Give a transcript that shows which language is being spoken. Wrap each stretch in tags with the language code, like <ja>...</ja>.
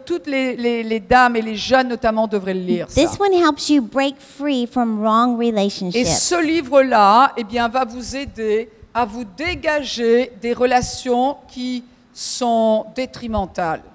<fr>Toutes les dames et les jeunes, notamment, devraient le lire.</fr> <en>This</en> <fr>ça.</fr> <en>One helps you break free from wrong relationships.</en> <fr>Et ce livre-là, eh bien, va vous aider à vous dégager des relations qui sont détrimentales,</fr>